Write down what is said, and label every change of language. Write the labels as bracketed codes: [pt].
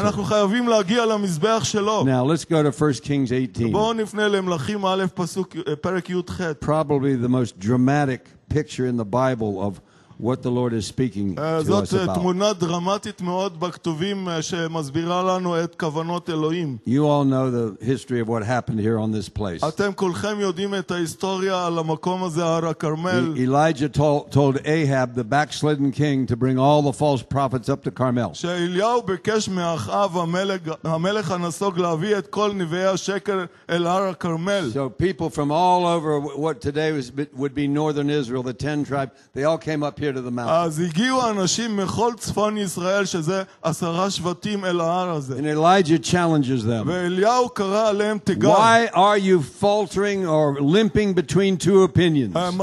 [he] אנחנו חייבים להגיע למזבח שלו. [en] Now let's go to 1 Kings 18. [he] בואו נפנה למלכים א' פסוק פרק י"ח. [en] Probably the most dramatic picture in the Bible of what the Lord is speaking to us about. [he] זאת תמונה דרמטית מאוד בכתובים שמסבירה לנו את כוונות אלוהים. [en] You all know the history of what happened here on this place. [he] אתם כולכם יודעים את ההיסטוריה על המקום הזה, הר הכרמל. [en] Elijah told Ahab, the backslidden king, to bring all the false prophets up to Carmel. [he] שאליהו ביקש מאחאב המלך הנסוג להביא את כל נביאי השקר אל הר הכרמל. [en] So people from all over what today would be northern Israel, the 10 tribes, they all came up here here to the mountain. And Elijah challenges them. Why are you faltering or limping between two opinions?